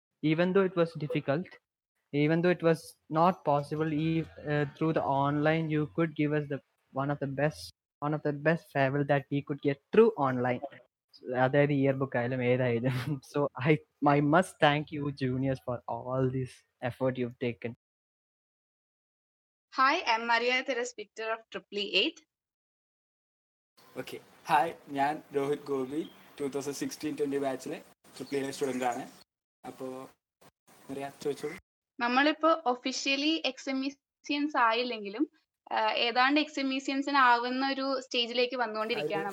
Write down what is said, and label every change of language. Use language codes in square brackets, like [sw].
[en] Even though it was difficult, even though it was not possible, ഈ through the online you could give us the one of the best farewell that we could get through online. [ml] അതായത് year book ആയാലും ഏതായാലും. [en] So I must thank you juniors for all these effort you have taken. Hi, I'm Maria Teres Victor of Triple Eight. Okay. [ml] Hi, ഞാൻ Rohit Gopi, 2016-20 ബാച്ചിലെ Triple Eight student ആണ്. അപ്പോൾ മറിയ ചോദിച്ചോളൂ. നമ്മളിപ്പോൾ officially എക്സമീസിയൻസ് ആയില്ലെങ്കിലും ഏതാണ്ട് എക്സമീസിയൻസിന് ആവുന്ന ഒരു സ്റ്റേജിലേക്ക് വന്നുകൊണ്ടിരിക്കുകയാണ്.